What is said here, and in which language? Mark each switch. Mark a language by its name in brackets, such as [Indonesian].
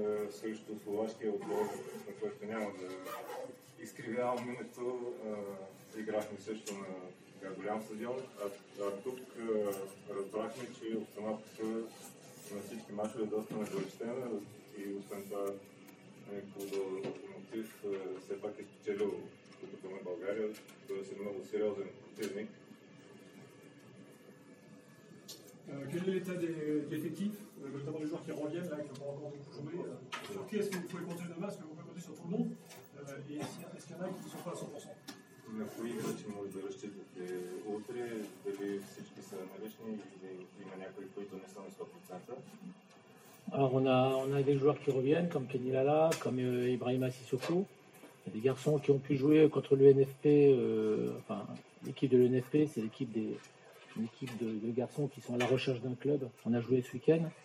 [Bulgarian] Също словашкия отбор, на който няма да изкривявам името, играхме също на голям стадион, а тук разбрахме, че обстановката на всички мачове е доста нагорещена и освен това Локомотив все пак е спечелил Купата на България, т.е. е много сериозен противник. [French] Quel est l'état des effectifs, notamment des joueurs qui reviennent, là, qui n'ont pas encore beaucoup joué. Sur qui est-ce que vous pouvez compter demain? Est-ce que vous pouvez compter sur tout le monde? Et est-ce qu'il y en a qui ne sont pas à 100%? [Bulgarian] На кои играчи може да разчитате утре, дали всички са налични или има някои, които не са на 100%? [French] Alors on a des joueurs qui reviennent, comme Kenny Lala, comme Ibrahima Sissoko. Des garçons qui ont pu jouer contre l'UNFP, enfin l'équipe de l'UNFP, c'est l'équipe des. Une équipe de garçons qui sont à la recherche d'un club. On a joué ce week-end.